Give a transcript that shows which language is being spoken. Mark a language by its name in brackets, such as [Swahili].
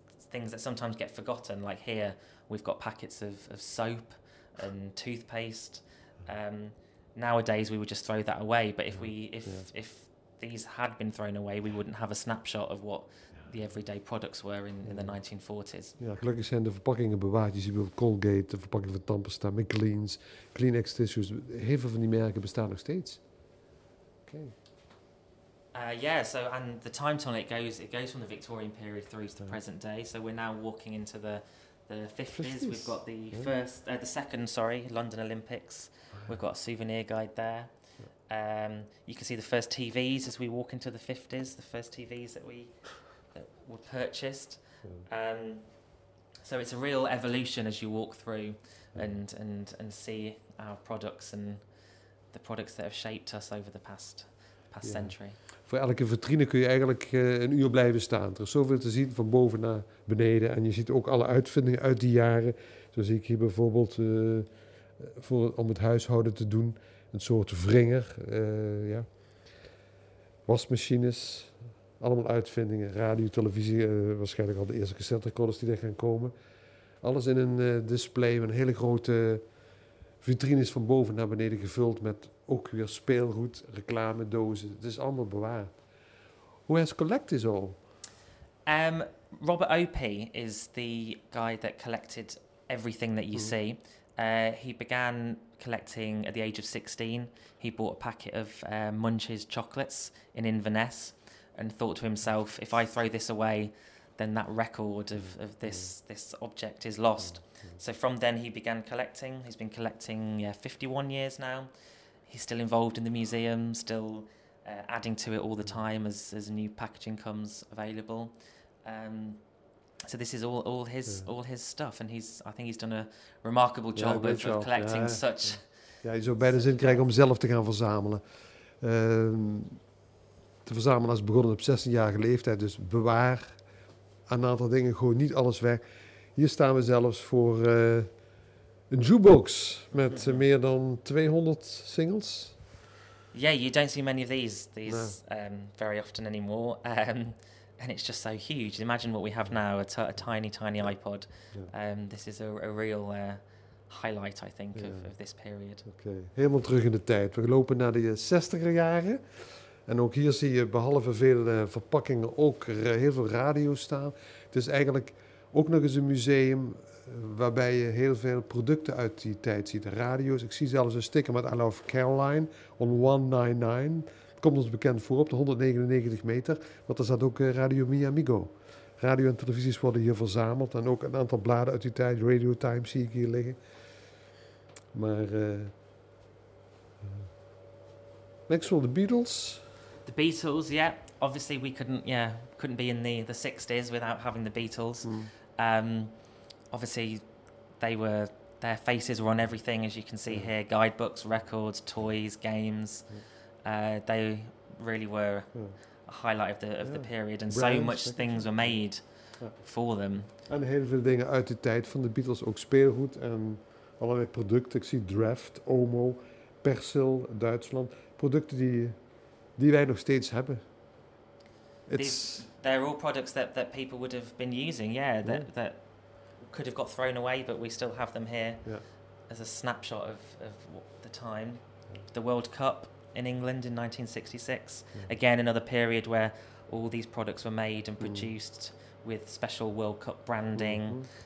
[English] Things that sometimes get forgotten, like here we've got packets of soap and toothpaste. Nowadays we would just throw that away, but if these had been thrown away, we wouldn't have a snapshot of what the everyday products were in the 1940s. [Dutch] Ja, gelukkig zijn de verpakkingen bewaard. Je ziet bijvoorbeeld Colgate, de verpakking van tandpasta, McLean's, Kleenex tissues. Heel veel van die merken bestaan nog steeds. Okay. [English] And the time tunnel it goes from the Victorian period through to the present day. So we're now walking into the 50s. We've got the second London Olympics. We've got a souvenir guide there. You can see the first TVs as we walk into the 50s. The first TVs that were purchased. So it's a real evolution as you walk through and see our products and the products that have shaped us over the past century. [Dutch] Voor elke vitrine kun je eigenlijk een uur blijven staan. Er is zoveel te zien van boven naar beneden. En je ziet ook alle uitvindingen uit die jaren. Zo zie ik hier bijvoorbeeld om het huishouden te doen. Een soort wringer. Wasmachines. Allemaal uitvindingen, radio, televisie, waarschijnlijk al de eerste cassette recorders die er gaan komen. Alles in een display, met een hele grote vitrine is van boven naar beneden gevuld met ook weer speelgoed, reclamedozen. Het is allemaal bewaard. [English] Who has collected it all? Robert Opie is the guy that collected everything that you see. He began collecting at the age of 16. He bought a packet of Munch's chocolates in Inverness. And thought to himself, if I throw this away, then that record of this object is lost. So from then he began collecting. He's been collecting 51 years now. He's still involved in the museum, still adding to it all the time as new packaging comes available. So this is all his stuff, and I think he's done a remarkable job of collecting such. [Dutch] Yeah, je zou bijna zin krijgen om zelf te gaan verzamelen. Te verzamelen als begonnen op 16-jarige leeftijd. Dus bewaar een aantal dingen, gooi niet alles weg. Hier staan we zelfs voor een jukebox met meer dan 200 singles. [English] Yeah, you don't see many of these very often anymore. And it's just so huge. Imagine what we have now, a tiny, tiny iPod. This is a real highlight, I think, of this period. Okay. [Dutch] Helemaal terug in de tijd. We lopen naar de 60er jaren. En ook hier zie je behalve vele verpakkingen ook heel veel radio's staan. Het is eigenlijk ook nog eens een museum waarbij je heel veel producten uit die tijd ziet. Radio's. Ik zie zelfs een sticker met I Love Caroline on 199. Dat komt ons bekend voor op de 199 meter. Want er staat ook Radio Mi Amigo. Radio en televisies worden hier verzameld. En ook een aantal bladen uit die tijd. Radio Times zie ik hier liggen. Maar Maxwell, de Beatles. [English] The Beatles, yeah. Obviously, we couldn't be in the 60s without having the Beatles. Mm. Obviously, their faces were on everything, as you can see here. Guidebooks, records, toys, games. They really were a highlight of the period. And so much things were made [Dutch] voor [English] them. [Dutch] En heel veel dingen uit de tijd van de Beatles, ook speelgoed en allerlei producten. Ik zie Draft, Omo, Persil, Duitsland. Producten die wij nog steeds hebben. [English] They're all products that people would have been using, yeah. That could have got thrown away, but we still have them here. Yeah. As a snapshot of the time. The World Cup in England in 1966. Yeah. Again, another period where all these products were made and produced with special World Cup branding.